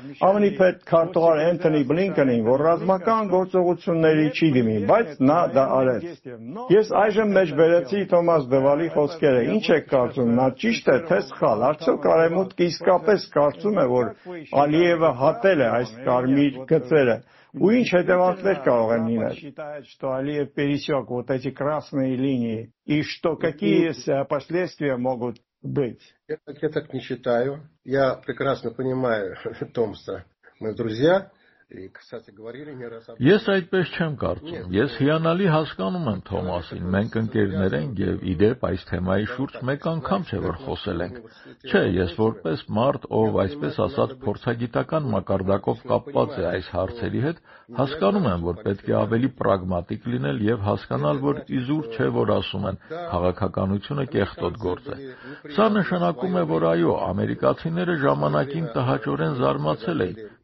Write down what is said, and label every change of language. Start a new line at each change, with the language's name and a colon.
Armenian: ԱՄՆ-ի պետ քարտուղար Էնթոնի Բլինքենին, որ ռազմական գործողությունների չի դիմի, բայց նա դա արեց։ Ես այժմ մեջբերեցի Թոմաս Դվալի խոսքերը։ Ինչ եք կարծում, նա ճիշտ է, թե սխալ? Արդյոք Արևմուտքը իսկապես կարծում է, որ Ալիևը հատել է այս կարմիր գծերը, ու ինչ հետևանքներ կարող են լինել?
Russian: Что Алиев пересек вот эти красные линии, и что какие последствия могут быть? Я так не считаю. Я прекрасно понимаю Томса, мы друзья.
Armenian: Ես այդպես չեմ կարծում, ես հիանալի հասկանում եմ Թոմասին, մենք ընկերներ ենք և իդեպ այս թեմայի շուրջ մեկ անգամ չէ, որ խոսել ենք։ Չէ, ես որպես մարդ, ով այսպես ասած փորձագիտական մակարդակով կապված է այս հարցերի հետ, հասկանում եմ, որ պետք է ավելի պրագմատիկ լինել և հասկանալ, որ իզուր չէ, որ ասում են, քաղաքականությունը կեղտոտ գործ է։ Սա նշանակում է, որ այո, ամերիկացիները ժամանակին տհաճորեն զարմացել էին,